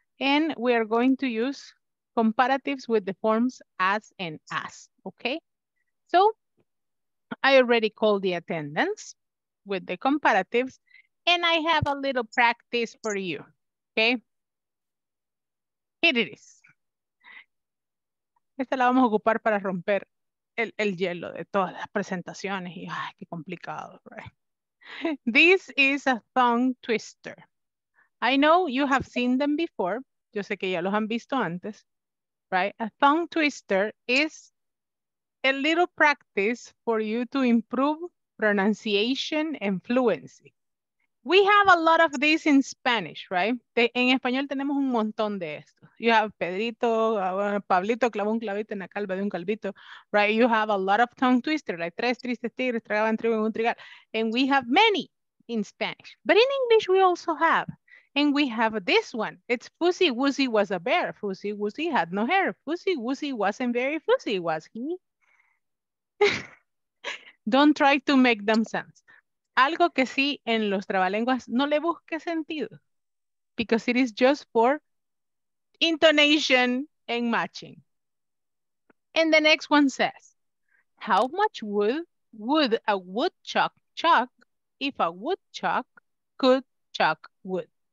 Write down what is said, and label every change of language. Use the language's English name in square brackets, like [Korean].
[English] And we are going to use comparatives with the forms as and as, okay? So I already called the attendance with the comparatives, and I have a little practice for you, okay? Here it is. [Spanish] Esta la vamos a ocupar para romper el hielo de todas las presentaciones. Y, ay, qué complicado, [English] right? This is a tongue twister. I know you have seen them before. [Spanish] Yo sé que ya los han visto antes, [English] right? A tongue twister is a little practice for you to improve pronunciation and fluency. We have a lot of this in Spanish, right? [Spanish] En español tenemos un montón de esto. [English] You have [Spanish] Pedrito, Pablito clavó un clavito en la calva de un calvito, right? [English] You have a lot of tongue twister, like [Spanish] tres tristes tigres tragaban trigo en un trigal. [English] And we have many in Spanish. But in English we also have. And we have this one. It's Fussy Woozy was a bear. Fussy Woozy had no hair. Fussy Woozy wasn't very fussy, was he? Don't try to make them sense. [Spanish] Algo que sí en los trabalenguas no le busque sentido. [English] Because it is just for intonation and matching. And the next one says, how much wood would a woodchuck chuck if a woodchuck could chuck wood?